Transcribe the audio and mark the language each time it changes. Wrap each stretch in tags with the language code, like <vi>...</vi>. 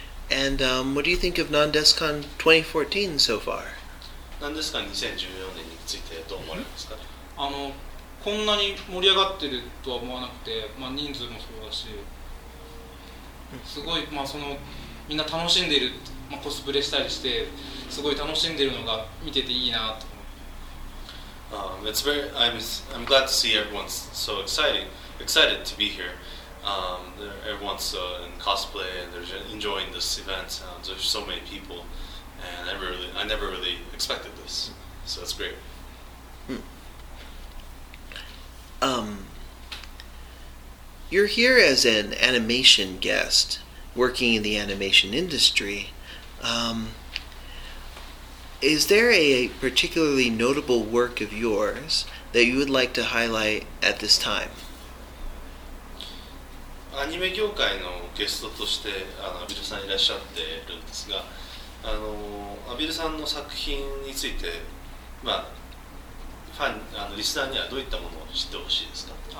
<en>And what do you think of NondeskCon 2014 so far?</en> <ja>NondeskCon 2014年についてどう思われますか？こんなに盛り上がってるとは思わなくて、まあ人数もそうだし。すごい、まあ、そのみんな楽しんでいる、まあ、コスプレしたりしてすごい楽しんでいるのが見てていいなと思う。</ja> <en>It's very, I'm glad to see everyone so excited to be here. Everyone's in cosplay and they're enjoying this event. There's so many people and I never really expected this. So it's great. You're here as an animation guest, working in the animation industry. Is there a particularly notable work of yours that you would like to highlight at this time?</en> <ja>アニメ業界のゲストとしてアビルさんいらっしゃっているんですが、アビルさんの作品について、まあ、ファン、リスナーにはどういったものを知ってほしいですか？</ja>